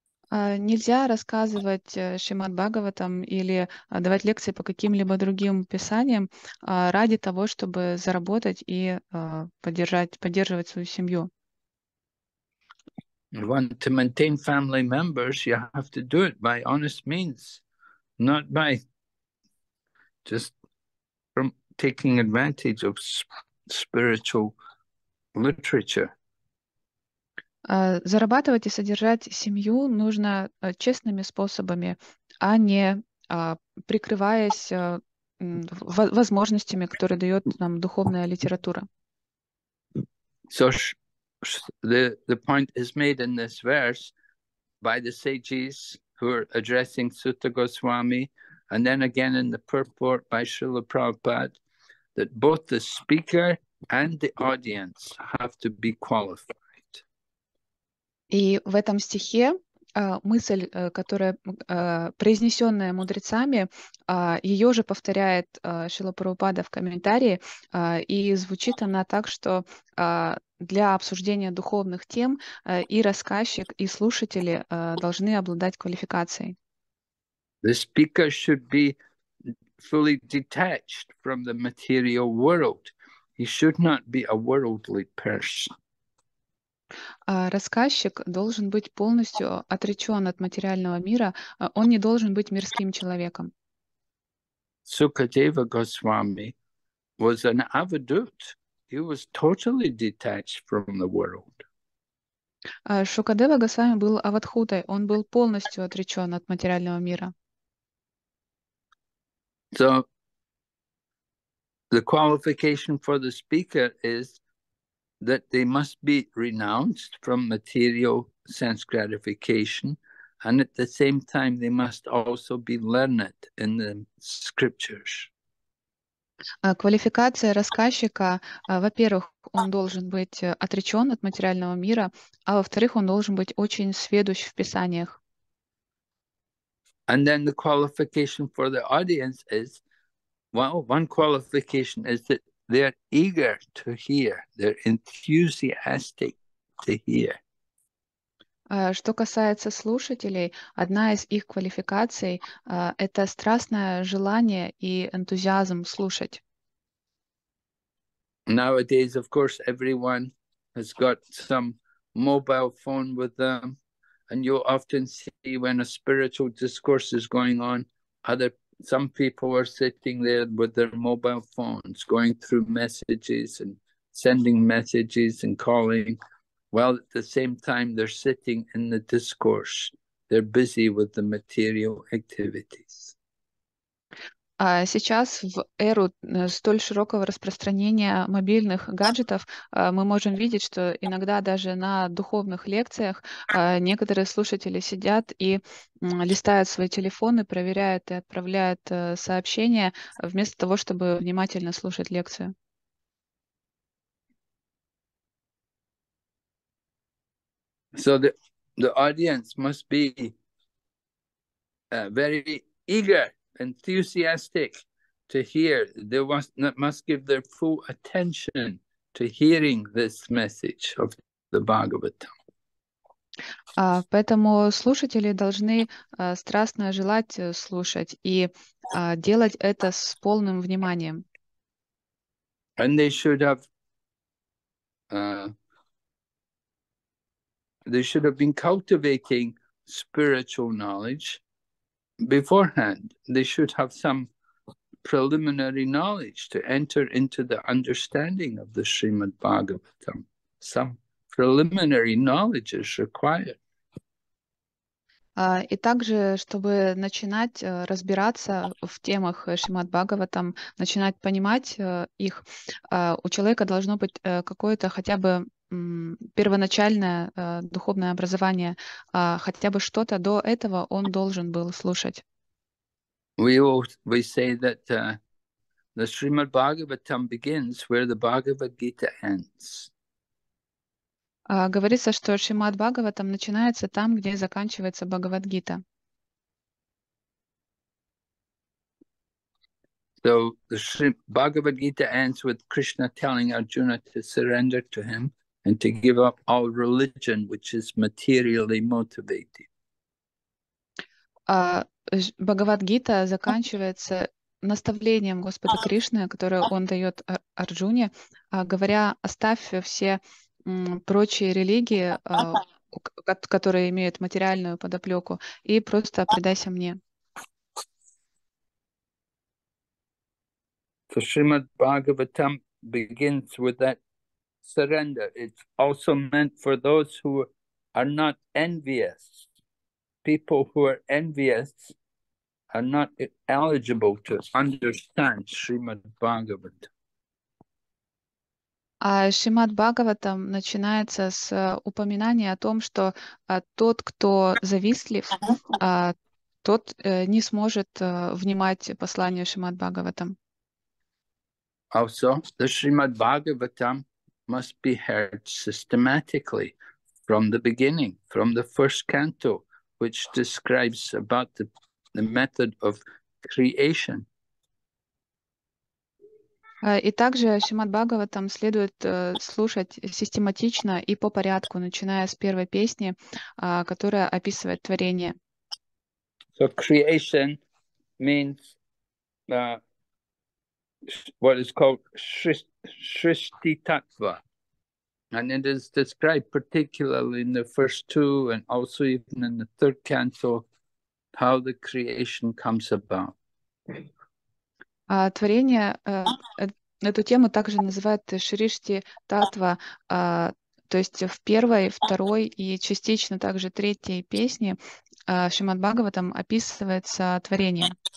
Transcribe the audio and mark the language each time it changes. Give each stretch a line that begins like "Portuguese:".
Russian: Нельзя рассказывать Шримад Бхагаватам или давать лекции по каким-либо другим писаниям ради того, чтобы заработать и поддерживать свою семью.
English: You want to maintain family members, you have to do it by honest means, not by just from taking advantage of spiritual literature.
Russian: Зарабатывать и содержать семью нужно честными способами, а не прикрываясь возможностями, которые дает нам духовная литература.
English: So the point is made in this verse by the sages who are addressing Sutta Goswami, and then again in the purport by Srila Prabhupada, that both the speaker and the audience have to be qualified.
Russian: И в этом стихе мысль, которая произнесенная мудрецами, ее же повторяет Шрила Прабхупада в комментарии, и звучит она так, что для обсуждения духовных тем и рассказчик, и слушатели должны обладать квалификацией.
English: The speaker should be fully detached from the material world. He should not be a worldly person.
Russian: Рассказчик должен быть полностью отречен от материального мира, он не должен быть мирским человеком.
English: Sukadeva Goswami was an avadut. He was totally detached from the world.
Russian: Шукадева Госвами был авадхутой, он был полностью отречен от материального мира.
English: So, the qualification for the speaker is that they must be renounced from material sense gratification, and at the same time they must also be learned in the scriptures.
Russian: Квалификация рассказчика, во-первых, он должен быть отречен от материального мира, а во-вторых, он должен быть очень сведущ в писаниях.
English: And then the qualification for the audience is, well, one qualification is that they're eager to hear, they're enthusiastic to hear.
Russian: Что касается слушателей, одна из их квалификаций — это страстное желание и энтузиазм слушать.
English: Nowadays, of course, everyone has got some mobile phone with them, and you often see when a spiritual discourse is going on, some people are sitting there with their mobile phones, going through messages and sending messages and calling. While at the same time they're sitting in the discourse, they're busy with the material activities.
Russian: Сейчас в эру столь широкого распространения мобильных гаджетов мы можем видеть, что иногда даже на духовных лекциях некоторые слушатели сидят и листают свои телефоны, проверяют и отправляют сообщения вместо того, чтобы внимательно слушать лекцию.
English: So the audience must be very eager, enthusiastic to hear. They must give their full attention to hearing this message of the Bhagavatam.
Russian: Поэтому слушатели должны страстно желать слушать и делать это с полным вниманием.
English: And they should have been cultivating spiritual knowledge beforehand. They should have some preliminary knowledge to enter into the understanding of the Srimad Bhagavatam. Some preliminary knowledge is required.
Russian: И также, чтобы начинать разбираться в темах Шримад Бхагаватам, начинать понимать их, у человека должно быть какое-то хотя бы первоначальное духовное образование, хотя бы что-то до этого он должен был слушать.
English: We say that the Srimad Bhagavatam begins where the Bhagavad Gita ends.
Russian: Говорится, что Шримад Бхагаватам начинается там, где заканчивается Бхагавад-гита.
English: So the Bhagavad Gita ends with Krishna telling Arjuna to surrender to him and to give up all religion, which is materially motivated.
Russian: Бхагавад-гита заканчивается наставлением Господа Кришны, которое он дает Арджуне, говоря: оставь все прочие религии, которые имеют материальную подоплеку, и просто предайся мне.
English: So Srimad Bhagavatam begins with that surrender. It's also meant for those who are not envious. People who are envious are not eligible to understand Srimad Bhagavatam.
Russian: А Шримад Бхагаватам начинается с упоминания о том, что тот, кто завистлив, тот не сможет внимать посланию Шримад Бхагаватам.
English: Also, the Srimad Bhagavatam must be heard systematically from the beginning, from the first canto, which describes about the method of creation.
Russian: И также Шримад Бхагаватам следует слушать систематично и по порядку, начиная с первой песни, которая описывает творение.
English: So creation means what is called Shristi Tattva. And it is described particularly in the first two and also even in the third canto, how the creation comes about.
Russian: Творение, эту тему также называют Шришти Татва, то есть в первой, второй и частично также третьей песне Шримад Бхагаватам описывается творение.